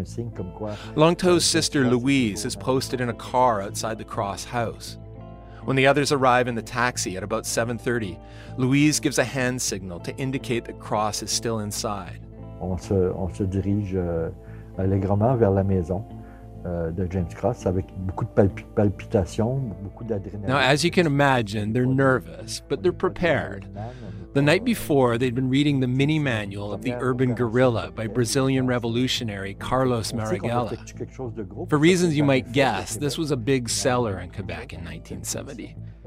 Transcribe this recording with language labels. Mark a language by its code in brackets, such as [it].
[en] Longto's sister Louise is posted in a car outside the Cross house. When the others arrive in the taxi at about 7:30, Louise gives a hand signal to indicate that Cross is still inside. [fr] On se dirige allègrement vers la maison de James Cross avec beaucoup de palpitations, beaucoup d'adrénaline. [en] Now, as you can imagine, they're nervous, but they're prepared. The night before, they'd been reading the mini manual of the Urban Guerrilla by Brazilian revolutionary Carlos Marighella. For reasons you might guess, this was a big seller in Quebec in 1970.